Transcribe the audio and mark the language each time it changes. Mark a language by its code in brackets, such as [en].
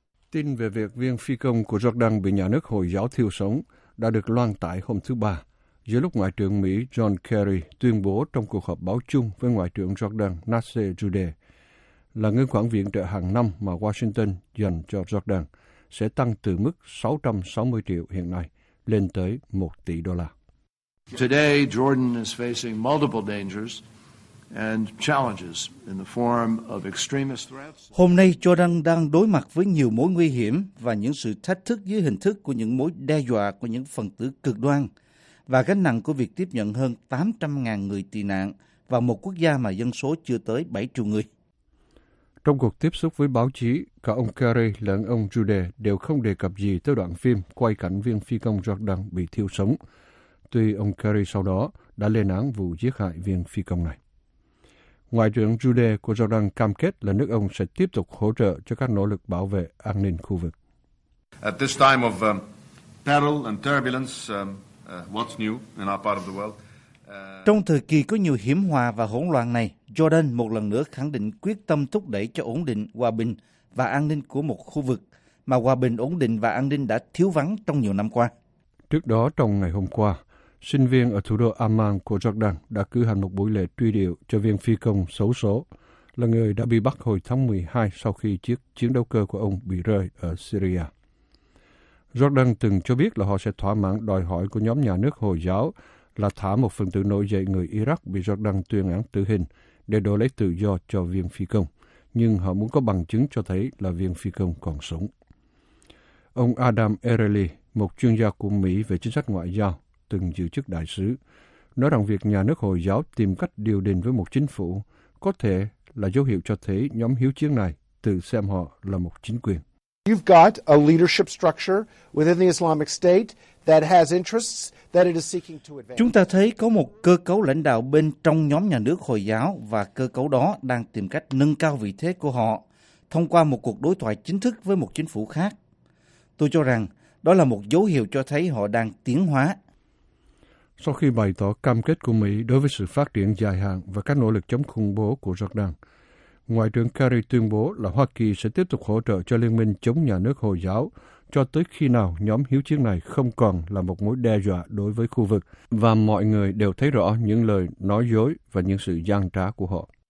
[vi] Tin về việc viên phi công của Jordan bị nhà nước Hồi giáo thiêu sống đã được loan tải hôm thứ Ba, giữa lúc Ngoại trưởng Mỹ John Kerry tuyên bố trong cuộc họp báo chung với Ngoại trưởng Jordan Nasser Judeh là ngân khoản viện trợ hàng năm mà Washington dành cho Jordan sẽ tăng từ mức 660 triệu hiện nay lên tới 1 tỷ đô la. [en] Today, Jordan is facing multiple dangers and challenges in the form of extremist threats. [vi] Hôm nay, Jordan đang đối mặt với nhiều mối nguy hiểm và những sự thách thức dưới hình thức của những mối đe dọa của những phần tử cực đoan và gánh nặng của việc tiếp nhận hơn 800.000 người tị nạn vào một quốc gia mà dân số chưa tới 7 triệu người. Trong cuộc tiếp xúc với báo chí, cả ông Kerry lẫn ông Judeh đều không đề cập gì tới đoạn phim quay cảnh viên phi công Jordan bị thiêu sống, tuy ông Kerry sau đó đã lên án vụ giết hại viên phi công này. Ngoại trưởng Judeh của Jordan cam kết là nước ông sẽ tiếp tục hỗ trợ cho các nỗ lực bảo vệ an ninh khu vực. [en] At this time of peril and turbulence, what's new in our part of the world? [vi] Trong thời kỳ có nhiều hiểm họa và hỗn loạn này, Jordan một lần nữa khẳng định quyết tâm thúc đẩy cho ổn định, hòa bình và an ninh của một khu vực mà hòa bình, ổn định và an ninh đã thiếu vắng trong nhiều năm qua. Trước đó, trong ngày hôm qua, sinh viên ở thủ đô Amman của Jordan đã cử hành một buổi lễ truy điệu cho viên phi công xấu số, là người đã bị bắt hồi tháng 12 sau khi chiếc chiến đấu cơ của ông bị rơi ở Syria. Jordan từng cho biết là họ sẽ thỏa mãn đòi hỏi của nhóm nhà nước Hồi giáo là thả một phần tử nổi dậy người Iraq bị Jordan tuyên án tử hình để đổi lấy tự do cho viên phi công, nhưng họ muốn có bằng chứng cho thấy là viên phi công còn sống. Ông Adam Erely, một chuyên gia của Mỹ về chính sách ngoại giao, từng giữ chức đại sứ, nói rằng việc nhà nước Hồi giáo tìm cách điều đình với một chính phủ có thể là dấu hiệu cho thấy nhóm hiếu chiến này tự xem họ là một chính quyền. [en] You've got a leadership structure within the Islamic State that has interests that it is seeking to advance. [vi] Chúng ta thấy có một cơ cấu lãnh đạo bên trong nhóm nhà nước Hồi giáo và cơ cấu đó đang tìm cách nâng cao vị thế của họ thông qua một cuộc đối thoại chính thức với một chính phủ khác. Tôi cho rằng đó là một dấu hiệu cho thấy họ đang tiến hóa. Sau khi bày tỏ cam kết của Mỹ đối với sự phát triển dài hạn và các nỗ lực chống khủng bố của Jordan, Ngoại trưởng Kerry tuyên bố là Hoa Kỳ sẽ tiếp tục hỗ trợ cho Liên minh chống nhà nước Hồi giáo cho tới khi nào nhóm hiếu chiến này không còn là một mối đe dọa đối với khu vực và mọi người đều thấy rõ những lời nói dối và những sự gian trá của họ.